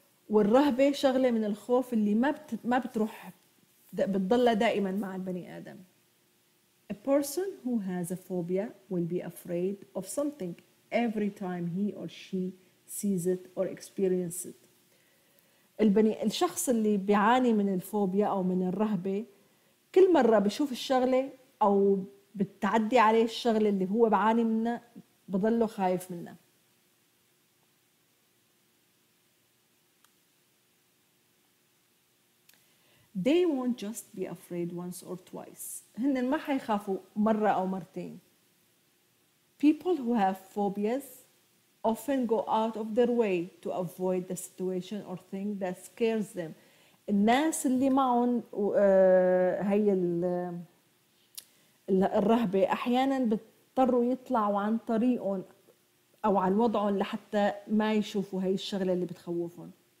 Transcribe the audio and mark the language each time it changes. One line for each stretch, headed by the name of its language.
Arabic: والرهبة شغلة من الخوف اللي ما بتروح بتضلها دائما مع البني آدم.
English: A person who has a phobia will be afraid of something every time he or she sees it or experiences it.
Arabic: الشخص اللي بيعاني من الفوبيا أو من الرهبة كل مرة بيشوف الشغلة أو بتعدي عليه الشغلة اللي هو بيعاني منها بضله خايف منها.
English: They won't just be afraid once or twice.
Arabic: هن ما حيخافوا مرة أو مرتين.
English: People who have phobias often go out of their way to avoid the situation or thing that scares them.
Arabic: الناس اللي معهم هي الرهبة أحياناً بيضطروا يطلعوا عن طريقهم أو عن وضعهم لحتى ما يشوفوا هاي الشغلة اللي بتخوفهم.